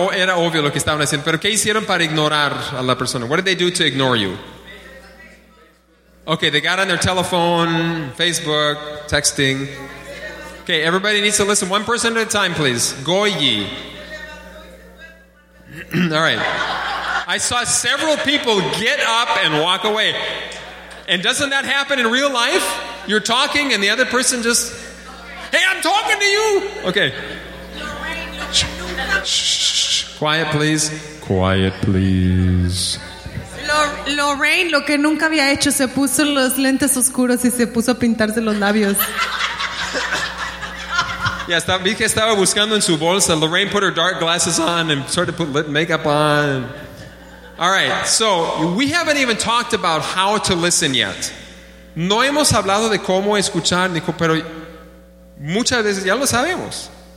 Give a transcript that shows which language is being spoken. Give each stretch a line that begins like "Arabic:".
Spanish: Era obvio lo que estaban haciendo, pero ¿qué hicieron para ignorar a la persona?
English: What did they do to ignore you? Okay, they got on their telephone, Facebook, texting. Okay, everybody needs to listen. One person at a time, please. Goyi. All right. I saw several people get up and walk away. And doesn't that happen in real life? You're talking and the other person just, hey, I'm talking to you! Okay. Shh, quiet, please. Quiet, please.
Spanish: Lorraine, lo que nunca había hecho, se puso los lentes oscuros y se puso a pintarse los labios. Yeah, estaba, vi que estaba buscando en su bolsa.
English: Lorraine put her dark glasses on and started to put lip makeup on. All right, so we haven't even talked about how to listen yet.
Spanish: No hemos hablado de cómo escuchar, Nico, pero muchas veces ya lo sabemos.